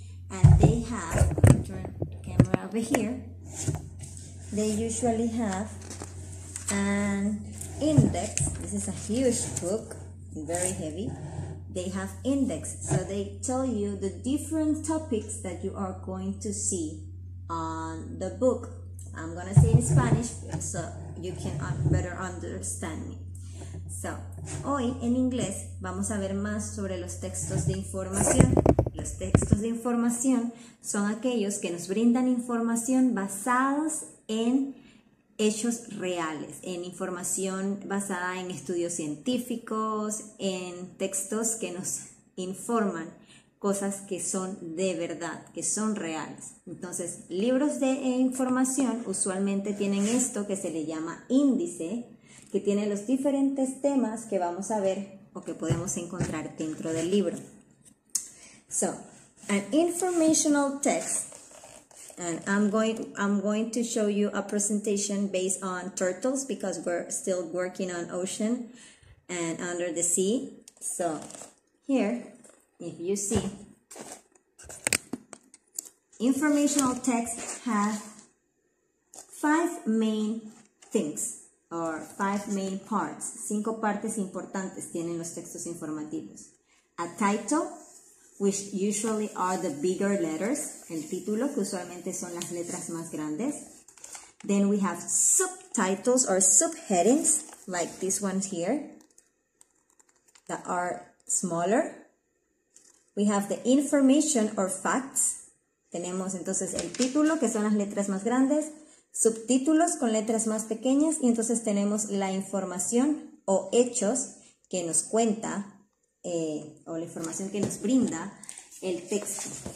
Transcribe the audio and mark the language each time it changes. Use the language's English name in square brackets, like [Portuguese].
[English] And they have, turn the camera over here, they usually have an index. This is a huge book, very heavy. They have index, so they tell you the different topics that you are going to see on the book. I'm gonna say in Spanish so you can better understand me. [Spanish] So, hoy en inglés vamos a ver más sobre los textos de información. Los textos de información son aquellos que nos brindan información basados en hechos reales, en información basada en estudios científicos, en textos que nos informan cosas que son de verdad, que son reales. Entonces, libros de información usualmente tienen esto que se le llama índice, que tiene los diferentes temas que vamos a ver o que podemos encontrar dentro del libro. [English] So, an informational text, and I'm going to show you a presentation based on turtles because we're still working on ocean and under the sea. So, here, if you see, informational texts have five main things or five main parts. [Spanish] Cinco partes importantes tienen los textos informativos. [English] A title, which usually are the bigger letters, [Spanish] el título, que usualmente son las letras más grandes. [English] Then we have subtitles or subheadings, like this one here, that are smaller. We have the information or facts. [Spanish] Tenemos entonces el título, que son las letras más grandes, subtítulos con letras más pequeñas, y entonces tenemos la información o hechos que nos cuenta, o la información que nos brinda el texto.